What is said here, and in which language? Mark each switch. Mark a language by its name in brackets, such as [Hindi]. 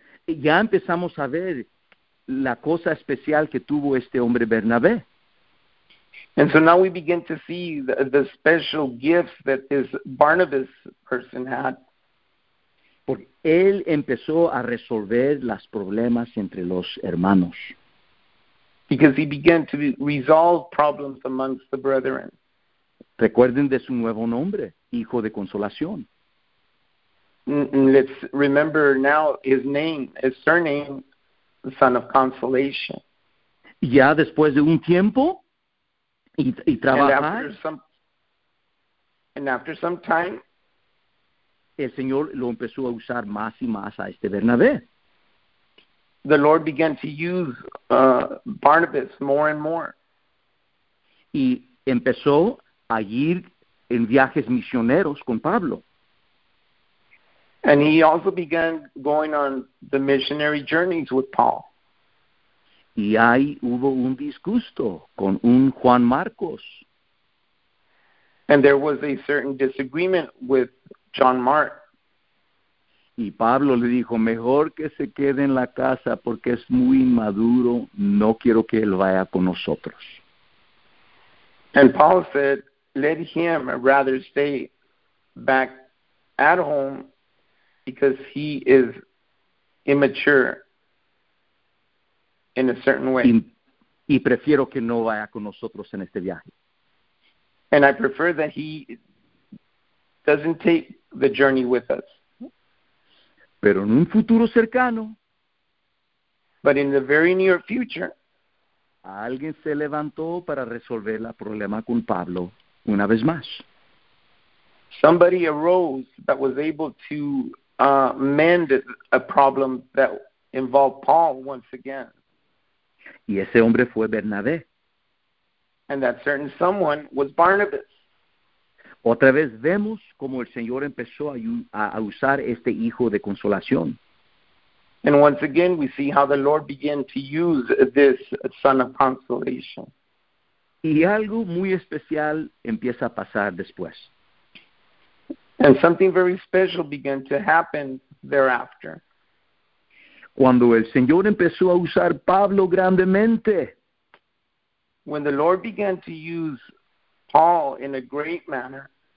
[Spanish] Ya empezamos a ver la cosa especial que tuvo este hombre Bernabé. [English] And so now we begin to see the special gifts that this Barnabas person had. [Spanish] Porque él empezó a resolver los problemas entre los hermanos. [English] Because he began to resolve problems amongst the brethren. [Spanish] Recuerden de su nuevo nombre, Hijo de Consolación. [English] Let's remember now his name, his surname, Son of Consolation. [Spanish] Ya después de un tiempo y trabajar. [English] And after some time, [Spanish] el Señor lo empezó a usar más y más a este Bernabé. [English] The Lord began to use Barnabas more and more. [Spanish] Y empezó a ir en viajes misioneros con Pablo. [English] And he also began going on the missionary journeys with Paul. [Spanish] Y ahí hubo un disgusto con un Juan Marcos. [English] And there was a certain disagreement with John Mark. [Spanish] Y Pablo le dijo, mejor que se quede en la casa porque es muy inmaduro, no quiero que él vaya con nosotros. [English] And Paul said, let him rather stay back at home because he is immature in a certain way. [Spanish] Y prefiero que no vaya con nosotros en este viaje. [English] And I prefer that he doesn't take the journey with us. [Spanish] Pero en un futuro cercano, [English] but in the very near future, [Spanish] alguien se levantó para resolver el problema con Pablo una vez más. [English] Somebody arose that was able to mend a problem that involved Paul once again. [Spanish] Y ese hombre fue Bernabé. [English] And that certain someone was Barnabas. [Spanish] Otra vez vemos cómo el Señor empezó a usar este Hijo de Consolación. [English] And once again we see how the Lord began to use this Son of Consolation. [Spanish] Y algo muy especial empieza a pasar después. [English] And something very special began to happen thereafter. [Spanish] Cuando el Señor empezó a usar Pablo grandemente. [English] When the Lord began to use Paul in a great manner.